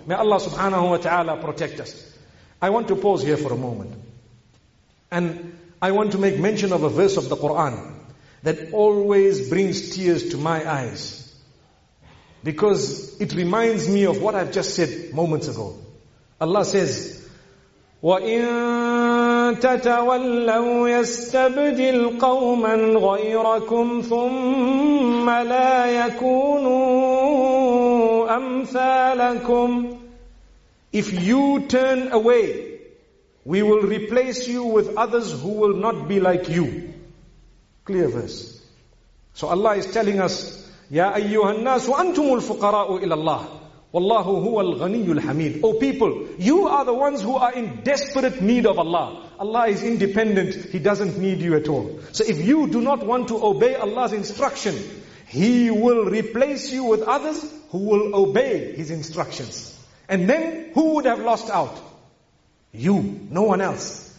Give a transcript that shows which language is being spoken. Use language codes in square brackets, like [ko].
[en] May Allah subhanahu wa ta'ala protect us. I want to pause here for a moment. And I want to make mention of a verse of the Quran that always brings tears to my eyes. Because it reminds me of what I've just said moments ago. Allah says, [ar] وَإِن تَتَوَلَّوْا يَسْتَبْدِلْ قَوْمًا غَيْرَكُمْ ثُمَّ لَا يَكُونُوا أَمْثَالَكُمْ. [en] If you turn away, we will replace you with others who will not be like you. Clear verse. So Allah is telling us, [ar] يَا أَيُّهَا النَّاسُ أَنْتُمُ الْفُقَرَاءُ إِلَى اللَّهِ وَاللَّهُ هُوَ الْغَنِيُّ الْحَمِيدُ. [en] O people, you are the ones who are in desperate need of Allah. Allah is independent. He doesn't need you at all. So if you do not want to obey Allah's instruction, He will replace you with others who will obey His instructions. And then, who would have lost out? You, no one else.